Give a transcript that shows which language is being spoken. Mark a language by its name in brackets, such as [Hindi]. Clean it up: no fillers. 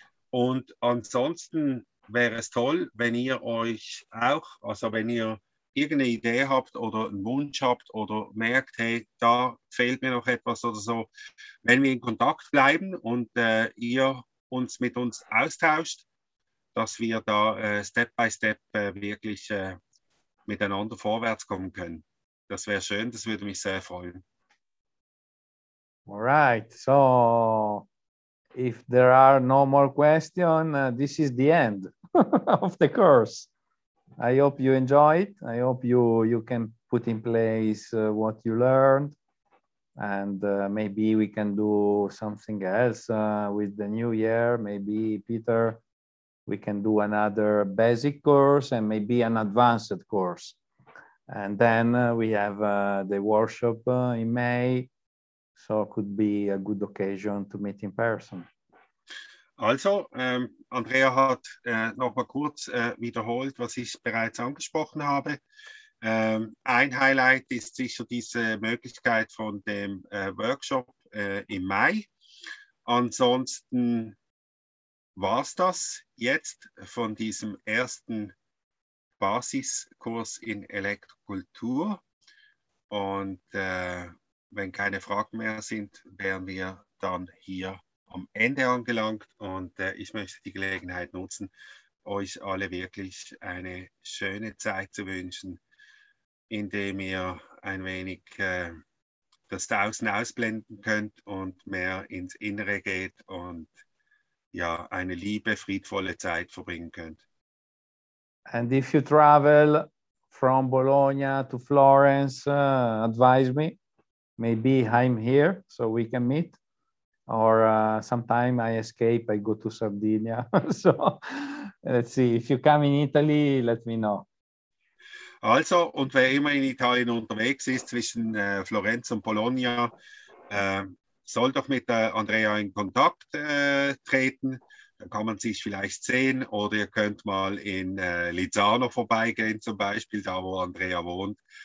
[German] Und ansonsten wäre es toll, wenn ihr euch auch, also wenn ihr irgendeine Idee habt oder einen Wunsch habt oder merkt, hey, da fehlt mir noch etwas oder so, wenn wir in Kontakt bleiben und ihr uns mit uns austauscht, dass wir da Step by Step wirklich miteinander vorwärts kommen können. Das wäre schön, das würde mich sehr freuen. [English] All right, so if there are no more questions, this is the end of the course. I hope you enjoy it. I hope you can put in place what you learned. And maybe we can do something else with the new year. Maybe, Peter, we can do another basic course and maybe an advanced course. And then we have the workshop in May. So it could be a good occasion to meet in person. [German] Also, Andrea hat noch mal kurz wiederholt, was ich bereits angesprochen habe. Ein Highlight ist sicher diese Möglichkeit von dem Workshop im Mai. Ansonsten war es das jetzt von diesem ersten Basiskurs in Elektrokultur. Und wenn keine Fragen mehr sind, wären wir dann hier am Ende angelangt. Und ich möchte die Gelegenheit nutzen, euch alle wirklich eine schöne Zeit zu wünschen, indem ihr ein wenig das Außen ausblenden könnt und mehr ins Innere geht und ja eine liebe, friedvolle Zeit verbringen könnt. [English] And if you travel from Bologna to Florence, advise me. Maybe I'm here so we can meet. Or sometime I escape, I go to Sardinia. So let's see, if you come in Italy, let me know. [German] Also, und wer immer in Italien unterwegs ist, zwischen Florenz und Bologna, soll doch mit Andrea in Kontakt treten. Da kann man sich vielleicht sehen. Oder ihr könnt mal in Lizzano vorbeigehen, zum Beispiel, da wo Andrea wohnt.